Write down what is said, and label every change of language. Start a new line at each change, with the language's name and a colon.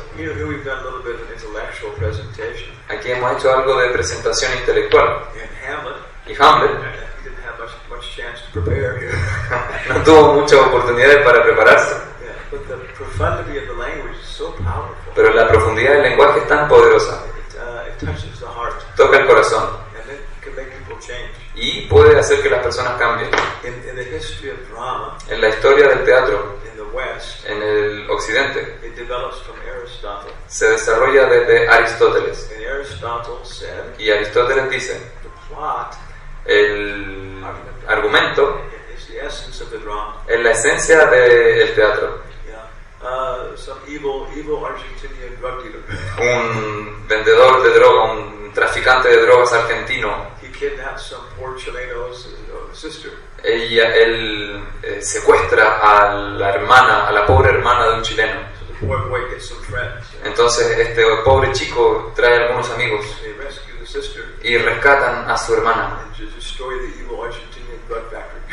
English: You know, here we've done a little bit of intellectual presentation.
Spanish: Aquí hemos hecho algo de presentación intelectual.
English: And Hamlet.
Spanish: Y Hamlet.
English: He didn't have much chance to prepare here.
Spanish: No tuvo muchas oportunidades para prepararse.
English: Yeah, but the profundity of the language is so powerful.
Spanish: Pero la profundidad del lenguaje es tan poderosa.
English: It touches the heart.
Spanish: Toca el corazón.
English: And it can make people change.
Spanish: Y puede hacer que las personas cambien.
English: In the history of drama,
Spanish: en la historia del teatro,
English: in the West,
Spanish: en el occidente,
English: it develops from Aristotle.
Spanish: Se desarrolla desde Aristóteles.
English: And Aristotle said,
Spanish: y Aristóteles dice,
English: the plot,
Spanish: el argumento
English: is the essence of the drama.
Spanish: Es la esencia del teatro.
English: Some evil Argentinian drug dealer.
Spanish: Un vendedor de droga, un traficante de drogas argentino.
English: He kidnaps some poor Chileno's sister.
Spanish: Él secuestra a la hermana, a la pobre hermana de un chileno.
English: So the poor boy gets some friends.
Spanish: Entonces este pobre chico trae algunos amigos.
English: They rescue the sister.
Spanish: Y rescatan a su hermana.
English: And just destroy the evil Argentinian drug factory.